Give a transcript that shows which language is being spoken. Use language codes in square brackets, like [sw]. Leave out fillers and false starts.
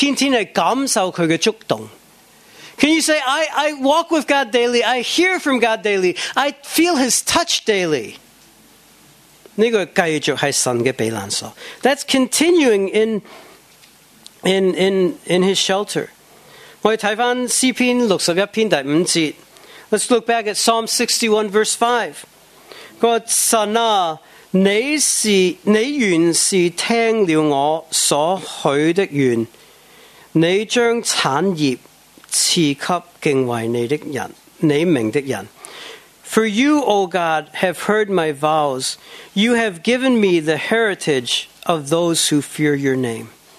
[zh] 我天天跟他亲近，天天是听他话，天天是感受他的触动。 [en] Can you say, I walk with God daily, I hear from God daily, I feel his touch daily? [zh] 这个继续是神的避难所。 [en] That's continuing in his shelter. [zh] 我们看回诗篇61篇第五节。 [en] Let's look back at Psalm 61 verse 5. [zh] 说神啊， 你原是听了我所许的愿，你将产业赐给敬畏你的人，你明的人。 [en] For you, O God, have heard my vows. You have given me the heritage of those who fear your name.